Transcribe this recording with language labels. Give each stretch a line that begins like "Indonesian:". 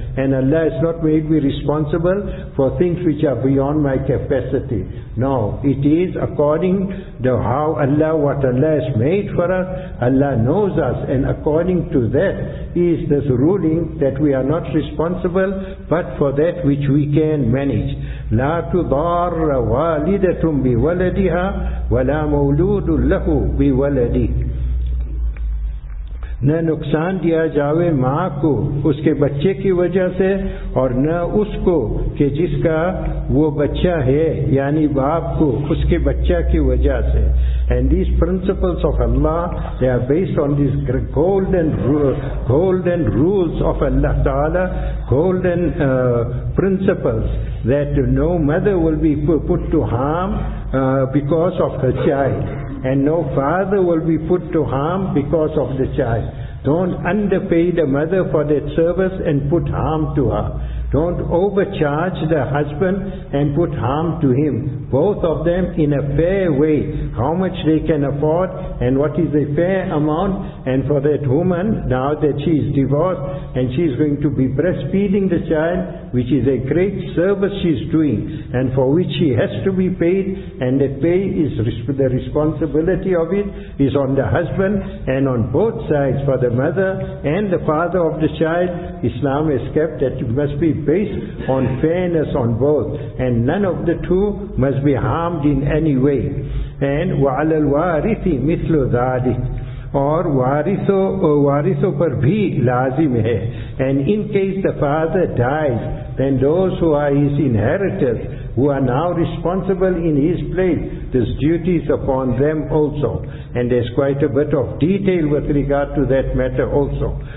English: And Allah has not made me responsible for things which are beyond my capacity. No, it is according to how Allah, what Allah has made for us, Allah knows us. And according to that is this ruling that we are not responsible but for that which we can manage.
Arabic: لا تضار والدة بولدها ولا مولود له بولده.
Urdu: نا نقصان دیا جاوے ماں کو اس کے بچے کی وجہ سے اور نہ اس کو کہ جس کا وہ بچہ ہے, یعنی باپ کو اس کے بچہ کی وجہ سے.
English: And these principles of Allah, they are based on these golden rules of Allah Ta'ala, golden principles, that no mother will be put to harm because of her child. And no father will be put to harm because of the child. Don't underpay the mother for that service and put harm to her. Don't overcharge the husband and put harm to him. Both of them in a fair way. How much they can afford and what is a fair amount. And for that woman, now that she is divorced and she is going to be breastfeeding the child, which is a great service she is doing and for which she has to be paid, and that pay is the responsibility of it is on the husband and on both sides, for the mother and the father of the child. Islam has kept that it must be based on fairness on both, and none of the two must be harmed in any way.
Urdu: And
Arabic: وَعَلَى الْوَارِثِ مِثْلُ ذَلِكَ.
Urdu: Or وَارِثُ پر بھی لازم ہے.
English: And in case the father dies, then those who are his inheritors, who are now responsible in his place, this duty is upon them also. And there's quite a bit of detail with regard to that matter also.